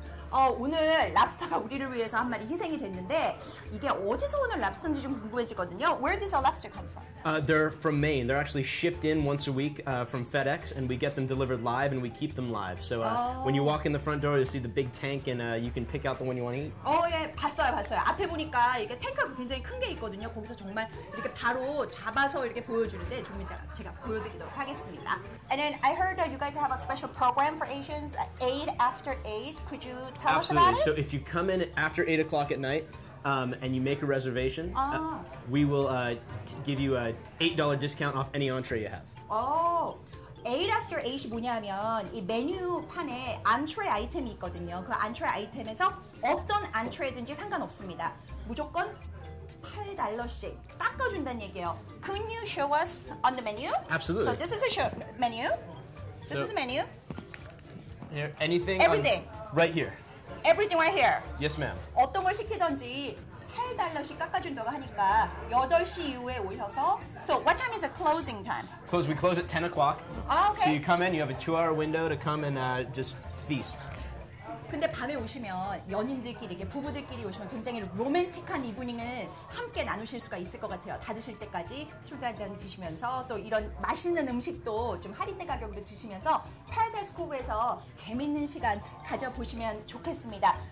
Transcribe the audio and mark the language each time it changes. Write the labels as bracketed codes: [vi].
[ko] 오늘 랍스터가 우리를 위해서 한 마리 희생이 됐는데 이게 어디서 오는 랍스터인지 좀 궁금해지거든요. [en] Where does the lobster come from? They're from Maine. They're actually shipped in once a week from FedEx, and we get them delivered live, and we keep them live. So when you walk in the front door, you see the big tank, and you can pick out the one you want to eat. [ko] 예, 봤어요. 앞에 보니까 이게 탱크가 굉장히 큰 게 있거든요. 거기서 정말 이렇게 바로 잡아서 이렇게 보여주는데 좀 이따 제가 보여드리도록 하겠습니다. [en] And then I heard that you guys have a special program for Asians, Aid After Aid. Could you tell Absolutely. Us about it? So if you come in after 8 o'clock at night, and you make a reservation, we will give you an $8 discount off any entree you have. Oh, [ko] 8 after 8이 뭐냐면 이 메뉴판에 안트레 아이템이 있거든요. 그 안트레 아이템에서 어떤 안트레든지 상관없습니다. 무조건 $8씩 깎아준다는 얘기예요. [en] Can you show us on the menu? Absolutely. So this is a show menu. This is a menu. Here, anything? Everything. On, right here. Everything right here. Yes, ma'am. [ko] 어떤 걸 시키든지 $8씩 깎아준다고 하니까 8시 이후에 오셔서. [en] So what time is the closing time? Close. We close at 10 o'clock. Ah, okay. So you come in, you have a two-hour window to come and just feast. [ko] 근데 밤에 오시면 연인들끼리, 부부들끼리 오시면 굉장히 로맨틱한 이브닝을 함께 나누실 수가 있을 것 같아요. 다 드실 때까지 술도 한잔 드시면서 또 이런 맛있는 음식도 좀 할인된 가격으로 드시면서 파라다이스 코브에서 재밌는 시간 가져보시면 좋겠습니다.